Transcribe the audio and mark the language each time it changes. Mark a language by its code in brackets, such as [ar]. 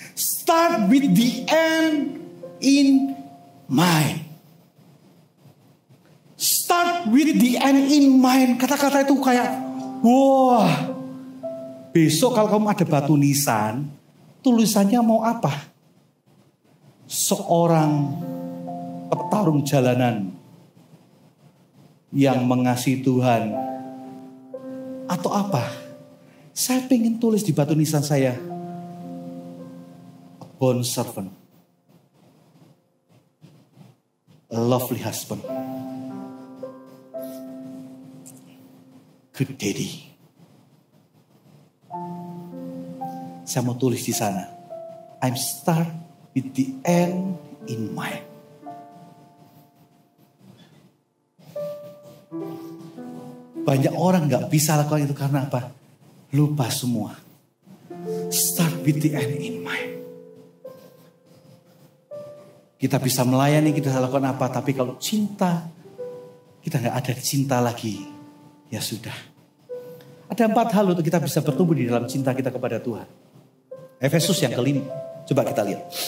[en] Start with the end in mind. Start with the end in mind. [id] Kata-kata itu kayak. Wah, wow. Besok kalau kamu ada batu nisan, tulisannya mau apa? Seorang petarung jalanan yang mengasihi Tuhan atau apa? Saya pengen tulis di batu nisan saya, [en] a bond servant, a lovely husband, good daddy. [id] Saya mau tulis di sana. [en] I'm start with the end in mind. [id] Banyak orang gak bisa lakukan itu karena apa? Lupa semua. [en] Start with the end in mind. [id] Kita bisa melayani, kita bisa lakukan apa. Tapi kalau cinta, kita gak ada cinta lagi. Ya sudah. Ada 4 hal untuk kita bisa bertumbuh di dalam cinta kita kepada Tuhan. Efesus yang kelima. Coba kita lihat.